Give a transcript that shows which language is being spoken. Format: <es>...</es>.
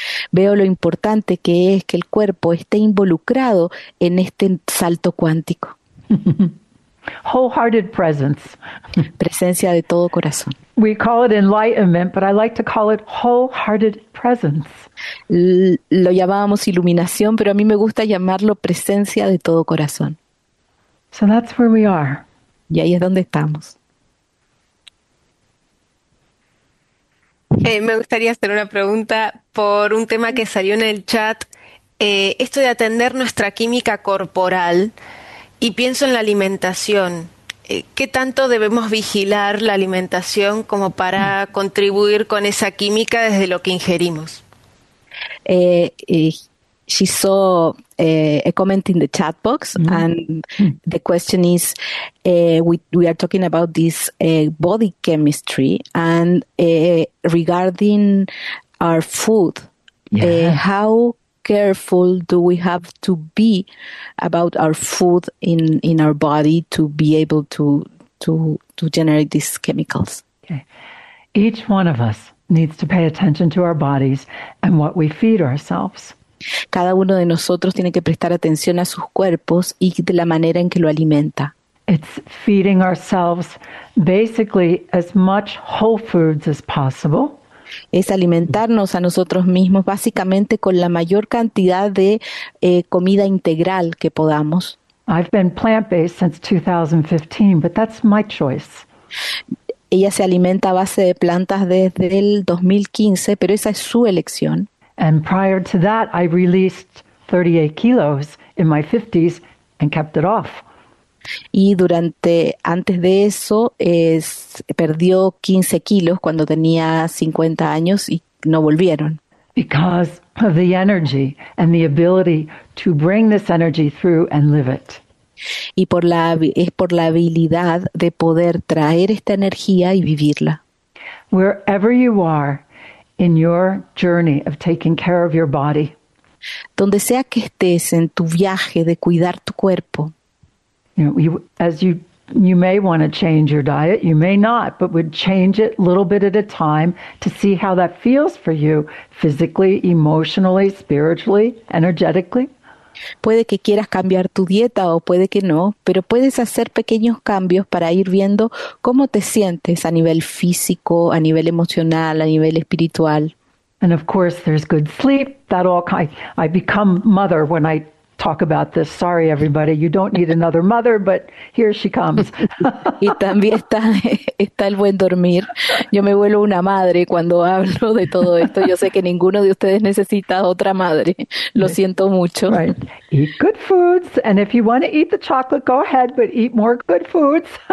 <es>Veo lo importante que es que el cuerpo esté involucrado en este salto cuántico.</es> <en>Wholehearted presence.</en> <es>Presencia de todo corazón.</es> <en>We call it enlightenment, but I like to call it wholehearted presence.</en> <es>Lo llamábamos iluminación, pero a mí me gusta llamarlo presencia de todo corazón.</es> <en>So that's where we are.</en> <es>Y ahí es donde estamos. Me gustaría hacer una pregunta por un tema que salió en el chat. Esto de atender nuestra química corporal, y pienso en la alimentación. ¿Qué tanto debemos vigilar la alimentación como para contribuir con esa química desde lo que ingerimos?</es> <en>She saw a comment in the chat box, mm-hmm. and the question is, we are talking about this body chemistry, and regarding our food, yeah. How careful do we have to be about our food in our body to be able to generate these chemicals? Okay. Each one of us needs to pay attention to our bodies and what we feed ourselves.</en> <es>Cada uno de nosotros tiene que prestar atención a sus cuerpos y de la manera en que lo alimenta.</es> <en>It's feeding ourselves basically as much whole foods as possible.</en> <es>Es alimentarnos a nosotros mismos básicamente con la mayor cantidad de comida integral que podamos.</es> <en>I've been plant-based since 2015, but that's my choice.</en> <es>Ella se alimenta a base de plantas desde el 2015, pero esa es su elección.</es> <en>And prior to that, I released 38 kilos in my 50s and kept it off.</en> <es>Y durante, antes de eso, perdió 15 kilos cuando tenía 50 años y no volvieron.</es> <en>Because of the energy and the ability to bring this energy through and live it.</en> <es>Y es por la habilidad de poder traer esta energía y vivirla.</es> <en>Wherever you are in your journey of taking care of your body.</en> <es>Donde sea que estés en tu viaje de cuidar tu cuerpo.</es> <en>You may want to change your diet, you may not, but would change it little bit at a time to see how that feels for you physically, emotionally, spiritually, energetically.</en> <es>Puede que quieras cambiar tu dieta o puede que no, pero puedes hacer pequeños cambios para ir viendo cómo te sientes a nivel físico, a nivel emocional, a nivel espiritual.</es> <en>And of course there's good sleep. That all I become mother when I talk about this. Sorry, everybody. You don't need another mother, but here she comes.</en> <es>Y también está el buen dormir. Yo me vuelvo una madre cuando hablo de todo esto. Yo sé que ninguno de ustedes necesita otra madre. Lo siento mucho.</es> <en>Right. Eat good foods. And if you want to eat the chocolate, go ahead, but eat more good foods.</en>